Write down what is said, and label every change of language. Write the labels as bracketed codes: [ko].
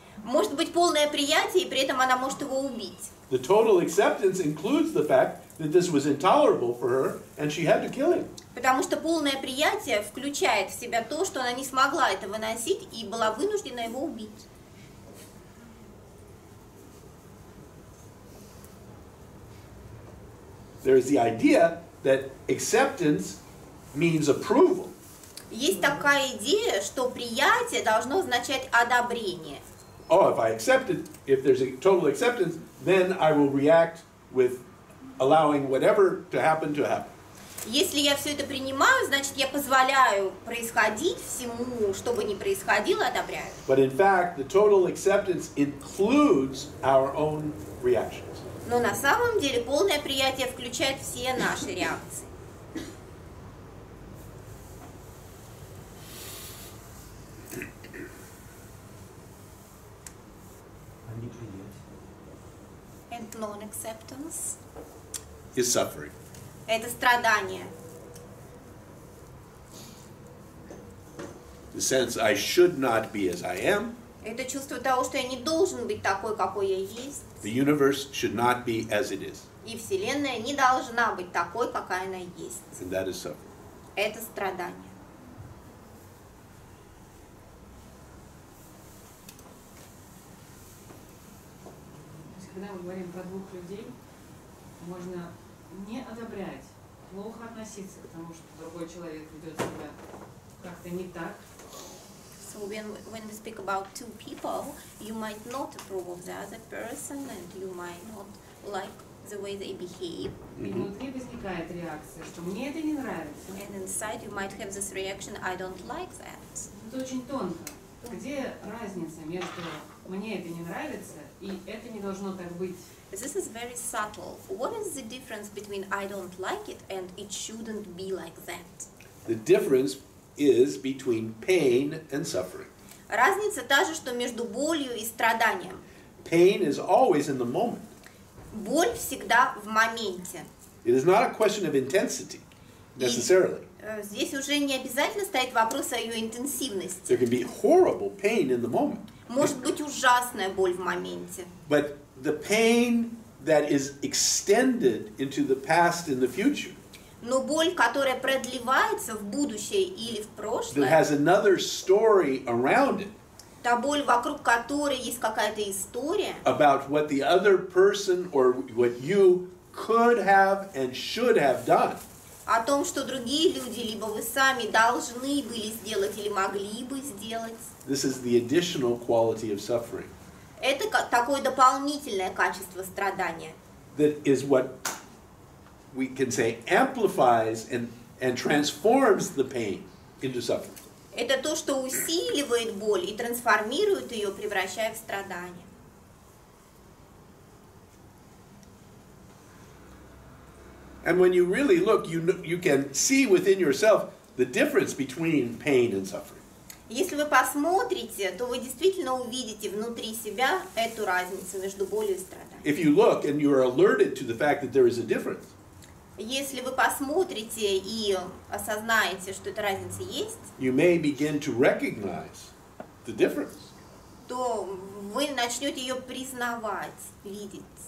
[ru] Может быть полное приятие, и при этом она может его убить. [en] The total acceptance includes the fact that this was intolerable for her, and she had to kill him. [ru] Потому что полное приятие включает в себя то, что она не смогла это выносить и была вынуждена его убить. [en] There is the idea that acceptance means approval. [ru] Есть такая идея, что приятие должно означать одобрение. [en] Oh, if I accept it, if there's a total acceptance, then I will react with allowing whatever to happen to happen. [ru] Если я все это принимаю, значит я позволяю происходить всему, что бы ни происходило, одобряю. [en] But in fact, the total acceptance includes our own reactions. [ru] Но на самом деле полное приятие включает все наши реакции. [en] And non-acceptance is suffering. [ru] Это страдание. [en] The sense I should not be as I am. [ru] Это чувство того, что я не должен быть такой, какой я есть. [en] The universe should not be as it is. [ru] И вселенная не должна быть такой, какая она есть. [en] And that is suffering. [ru] Это страдание. Когда мы говорим про двух людей, можно не одобрять, плохо относиться к тому, что другой человек ведет себя как-то не так. [en] So when we speak about two people, you might not approve of the other person and you might not like the way they behave. Mm-hmm. And inside you might have this reaction, I don't like that. [ru] Это очень тонко. Где разница между мне это не нравится и это не должно так быть? [en] This is very subtle. What is the difference between I don't like it and it shouldn't be like that? The difference is between pain and suffering. [ru] Разница та же, что между болью и страданием. [en] Pain is always in the moment. [ru] Боль всегда в моменте. [en] It is not a question of intensity, necessarily. [ru] Здесь уже не обязательно стоит вопрос о ее интенсивности. [en] There can be horrible pain in the moment. [ru] Может быть ужасная боль в моменте. [en] But the pain that is extended into the past and the future. [ru] Но боль, которая продлевается в будущее или в прошлое. [en] That has another story around it. [ru] Та боль, вокруг которой есть какая-то история. [en] About what the other person or what you could have and should have done. [ru] О том, что другие люди, либо вы сами, должны были сделать или могли бы сделать. [en] This is the additional quality of suffering. [ru] Это такое дополнительное качество страдания. [en] That is what we can say amplifies and transforms the pain into suffering. [ru] Это то, что усиливает боль и трансформирует ее, превращая в страдание. [en] And when you really look, you can see within yourself the difference between pain and suffering. [ru] Если вы посмотрите, то вы действительно увидите внутри себя эту разницу между болью и страданием. [en] If you look and you are alerted to the fact that there is a difference. [ru] Если вы посмотрите и осознаете, что эта разница есть, [en] you may begin to recognize the difference. [ru] То вы начнете ее признавать, видеть.